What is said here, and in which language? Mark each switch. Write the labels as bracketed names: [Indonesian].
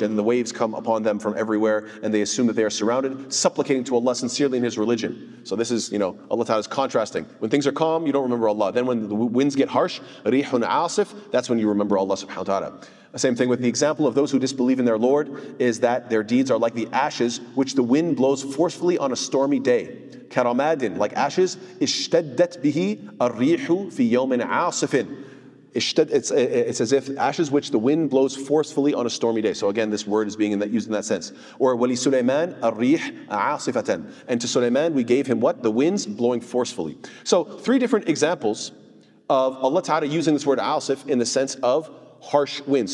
[English] And the waves come upon them from everywhere, and they assume that they are surrounded, supplicating to Allah sincerely in His religion. So this is, you know, Allah Ta'ala is contrasting. When things are calm, you don't remember Allah. Then when the winds get harsh, [Arabic] رِيحٌ عَاصِفٌ, [English] that's when you remember Allah subhanahu wa ta'ala. The same thing with the example of those who disbelieve in their Lord, is that their deeds are like the ashes which the wind blows forcefully on a stormy day. [Arabic] كَرَمَادٍ, [English] like ashes, [Arabic] اشْتَدَّتْ بِهِ الرِّيحُ فِي يَوْمٍ عَاصِفٍ. [English] It's as if ashes which the wind blows forcefully on a stormy day. So again, this word is being used in that sense. [Arabic] Or وَلِي سُلَيْمَانَ أَرِّيحَ عَاصِفَةً. [English] And to Sulaiman we gave him what? The winds blowing forcefully. So three different examples of Allah Ta'ala using this word عَاصِف in the sense of harsh winds.